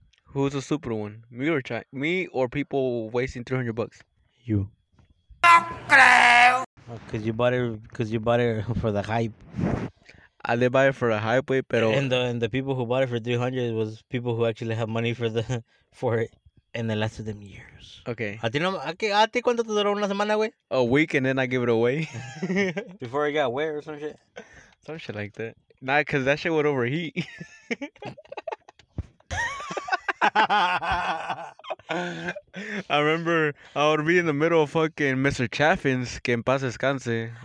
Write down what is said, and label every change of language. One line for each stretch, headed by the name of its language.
English: Who's the super one? Me or China? Me or people wasting $300? You. Cause you bought it for the hype. I did buy it for the hype, pero. And the people who bought it for $300 was people who actually have money for it, and it lasted them years. Okay.
Spanish: ¿A ti cuánto te duró una semana, güey?
English: A week, and then I give it away. Before it got wet or some shit. Some shit like that. Nah, cause that shit would overheat. I remember I would be in the middle of fucking Mr.
Spanish: Chaffin's. Que en paz descanse.